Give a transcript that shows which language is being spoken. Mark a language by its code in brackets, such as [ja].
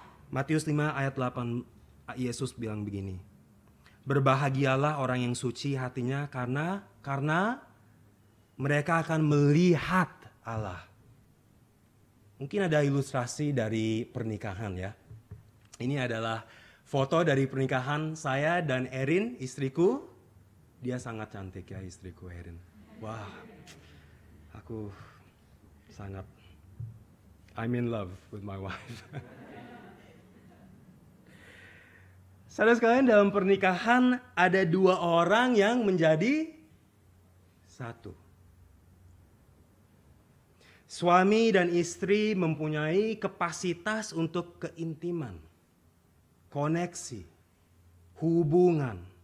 [id] Matius 5 ayat 8, Yesus bilang begini. Berbahagialah orang yang suci hatinya karena mereka akan melihat Allah. Mungkin ada ilustrasi dari pernikahan ya. Ini adalah foto dari pernikahan saya dan Erin, istriku. Dia sangat cantik ya istriku Erin. Wah, aku sangat, [en] I'm in love with my wife. [id] Saudara sekalian, dalam pernikahan ada dua orang yang menjadi satu. Suami dan istri mempunyai kapasitas untuk keintiman, koneksi, hubungan.